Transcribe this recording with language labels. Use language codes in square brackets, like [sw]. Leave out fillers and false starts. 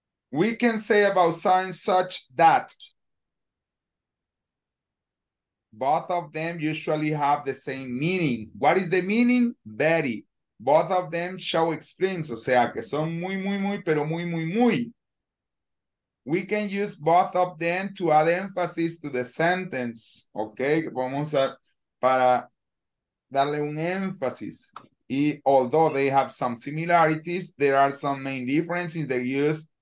[en] We can say about signs such that both of them usually have the same meaning. What is the meaning? Very. Both of them show extremes. [es] O sea, que son muy, muy, muy, pero muy, muy, muy. [en] We can use both of them to add emphasis to the sentence. [es] Okay, vamos a usar para darle un énfasis. [en] Y although they have some similarities, there are some main differences in their use.